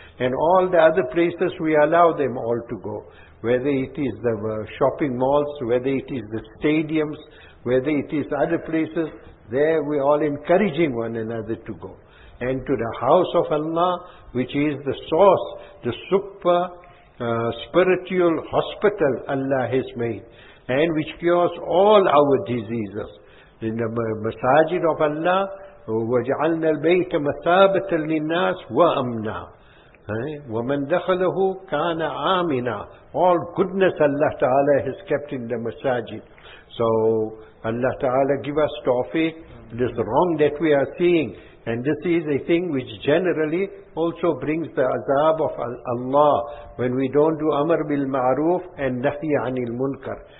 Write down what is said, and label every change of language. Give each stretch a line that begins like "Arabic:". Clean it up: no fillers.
English: And all the other places, we allow them all to go. Whether it is the shopping malls, whether it is the stadiums, whether it is other places, there we are all encouraging one another to go. And to the house of Allah, which is the source, the super spiritual hospital Allah has made, and which cures all our diseases. In the masajid of Allah,
Arabic: وَجَعَلْنَا الْبَيْتَ مَثَابَةً لِلنَّاسِ وَأَمْنًا وَمَنْ دَخَلَهُ كَانَ آمِنًا.
English: All goodness Allah Ta'ala has kept in the masajid. So Allah Ta'ala give us tawfiq. This wrong that we are seeing, and this is a thing which generally also brings the azab of Allah when we don't do amr bil ma'roof and nahi anil munkar.